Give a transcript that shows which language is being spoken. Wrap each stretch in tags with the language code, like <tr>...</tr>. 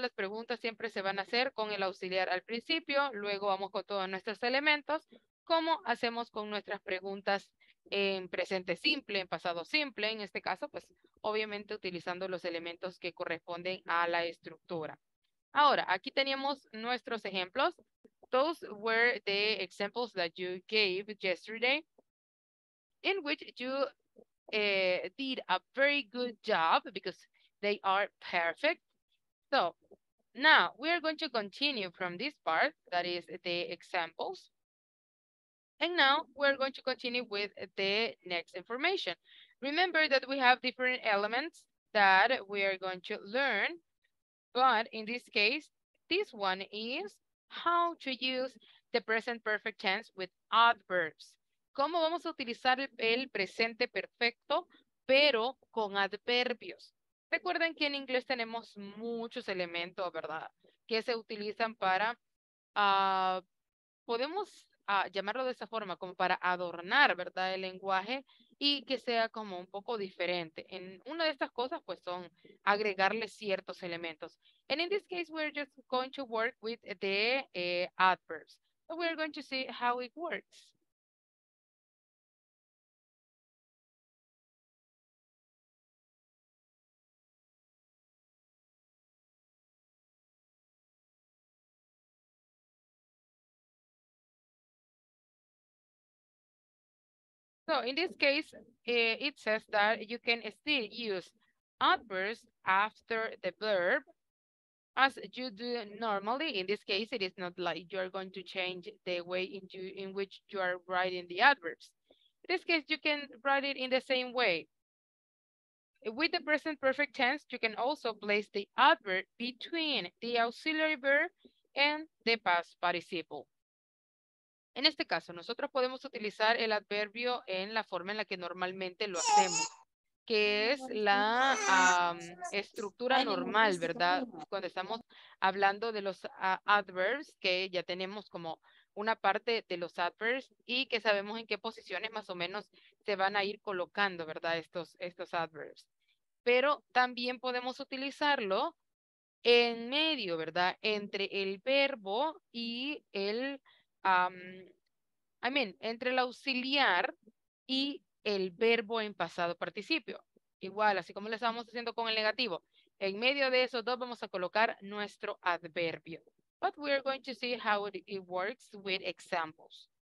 <es>Las preguntas siempre se van a hacer con el auxiliar al principio, luego vamos con todos nuestros elementos, como hacemos con nuestras preguntas en presente simple, en pasado simple, en este caso, pues, obviamente utilizando los elementos que corresponden a la estructura. Ahora, aquí teníamos nuestros ejemplos.</es> <en>Those were the examples that you gave yesterday, in which you did a very good job, because they are perfect. So now we are going to continue from this part, that is the examples. And now we're going to continue with the next information. Remember that we have different elements that we are going to learn, but in this case, this one is how to use the present perfect tense with adverbs.</en> <es>¿Cómo vamos a utilizar el presente perfecto, pero con adverbios? Recuerden que en inglés tenemos muchos elementos, ¿verdad? Que se utilizan para, podemos llamarlo de esa forma, como para adornar, ¿verdad? El lenguaje y que sea como un poco diferente. En una de estas cosas, pues, son agregarle ciertos elementos.</es> <en>And in this case, we're just going to work with the adverbs. So we're going to see how it works. So in this case, it says that you can still use adverbs after the verb as you do normally. In this case, it is not like you are going to change the way in which you are writing the adverbs. In this case, you can write it in the same way. With the present perfect tense, you can also place the adverb between the auxiliary verb and the past participle.</en> <es>En este caso, nosotros podemos utilizar el adverbio en la forma en la que normalmente lo hacemos, que es la estructura normal, ¿verdad? Cuando estamos hablando de los adverbs, que ya tenemos como una parte de los adverbs y que sabemos en qué posiciones más o menos se van a ir colocando, ¿verdad? Estos adverbs. Pero también podemos utilizarlo en medio, ¿verdad? Entre el verbo y el entre el auxiliar y el verbo en pasado participio. Igual, así como lo estábamos haciendo con el negativo. En medio de esos dos vamos a colocar nuestro adverbio.</es> <en>But we are going to see how it works with examples.</en>